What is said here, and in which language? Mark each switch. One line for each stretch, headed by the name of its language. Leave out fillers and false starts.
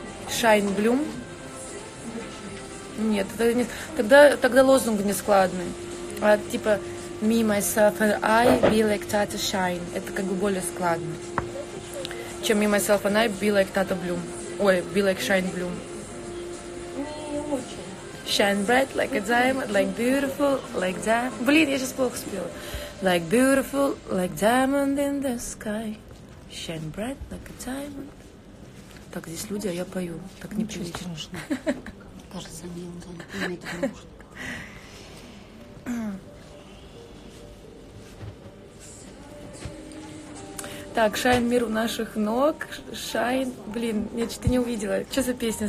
Russian: Шайн блюм. Нет, это не... тогда лозунг не складный. А типа
English: me, myself and I be like Tata Shine.
Russian: Это как бы более складно.
English: Чем me, myself and I be like Tata Bloom. Ой, be like Shine Bloom. Shine bright like a diamond, like beautiful, like diamond.
Russian: Блин, я сейчас плохо спела.
English: Like beautiful, like diamond in the sky. Shine bright like a diamond.
Russian: Так, здесь люди, а я пою. Так ничего не страшно. Кажется, они имеют наушники. Так, шайн мир у наших ног. Шайн. Блин, я что-то не увидела. Что за песня?